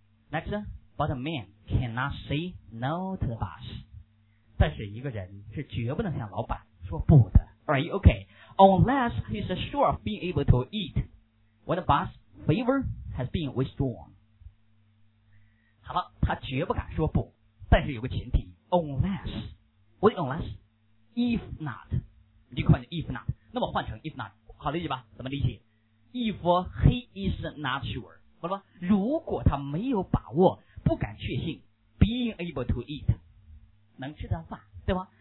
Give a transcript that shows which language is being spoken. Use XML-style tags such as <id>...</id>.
<en>Next, but a man cannot say no to the boss.</en> <zh>但是一个人是绝不能向老板说不的。</zh> <en>Right, okay. Unless he's sure of being able to eat when the boss favor has been withdrawn.</en> <zh>好了，他绝不敢说不，但是有个前提。</zh> <en>Unless, what unless? If not.</en> <zh>你看 if not. 那么换成 if not. 好理解吧？怎么理解？</zh> <en>If he is not sure，</en> <zh>好吧，如果他没有把握，不敢确信</zh> <en>being able to eat</en> <zh>能吃到饭，对吧？</zh>